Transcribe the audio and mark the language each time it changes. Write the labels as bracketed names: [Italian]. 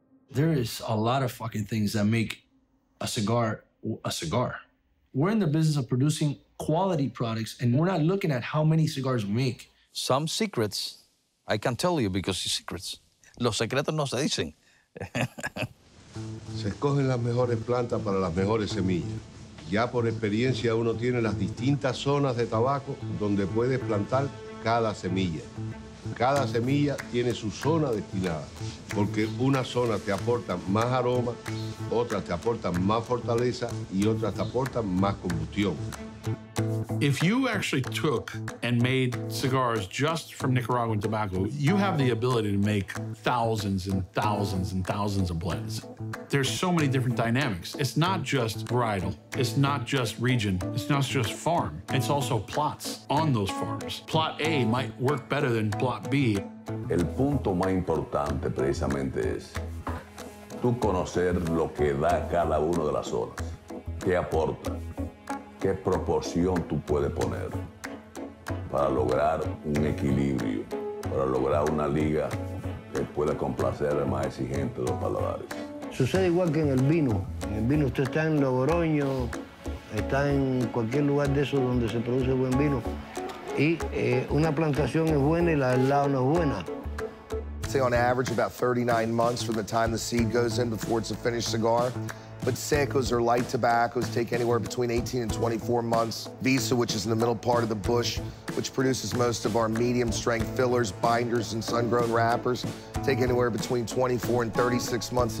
[English] There is a lot of fucking things that make a cigar. We're in the business of producing quality products, and we're not looking at how many cigars we make. Some secrets, I can tell you because it's secrets. [Spanish] los secretos no se dicen. Se escogen las mejores plantas para las mejores semillas. Ya por experiencia uno tiene las distintas zonas de tabaco donde puede plantar cada semilla. Cada semilla tiene su zona destinada, porque una zona te aporta más aroma, otras te aportan más fortaleza y otras te aportan más combustión. [English] If you actually took and made cigars just from Nicaraguan tobacco, you have the ability to make thousands and thousands and thousands of blends. There's so many different dynamics. It's not just varietal. It's not just region. It's not just farm. It's also plots on those farms. Plot A might work better than plot B. [Spanish] El punto más importante precisamente es tú conocer lo que da cada uno de las zonas. ¿Qué aporta? ¿Qué proporción tú puedes poner para lograr un equilibrio, para lograr una liga que pueda complacer al más exigente de los paladares? Sucede igual que en el vino. En el vino usted está en Logroño, está en cualquier lugar de esos donde se produce buen vino. Y una plantación es buena y la del lado no es buena. [English] Say on average about 39 months from the time the seed goes in before it's a finished cigar. But secos or light tobaccos take anywhere between 18 and 24 months. Visa, which is in the middle part of the bush, which produces most of our medium strength fillers, binders, and sun-grown wrappers, take anywhere between 24 and 36 months.